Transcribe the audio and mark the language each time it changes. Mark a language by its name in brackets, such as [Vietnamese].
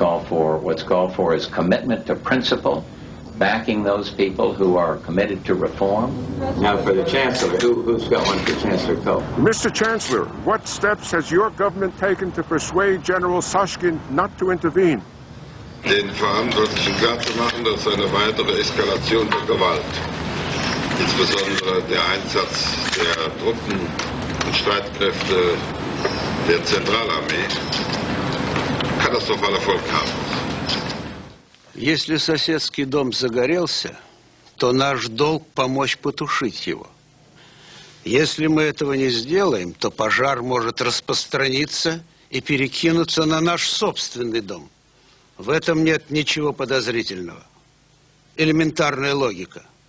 [English] What's called for is commitment to principle, backing those people who are committed to reform. Now for the Chancellor, who's going for Chancellor Kohl? Mr. Chancellor, what steps has your government taken to persuade General Sashkin not to intervene? [German] Den Verantwortlichen klarzumachen, dass eine weitere Eskalation der Gewalt, insbesondere der Einsatz der Truppen und Streitkräfte der Zentralarmee, katastrophal Erfolg haben. [Russian] Если соседский дом загорелся, то наш долг помочь потушить его. Если мы этого не сделаем, то пожар может распространиться и перекинуться на наш собственный дом. В этом нет ничего подозрительного. Элементарная логика.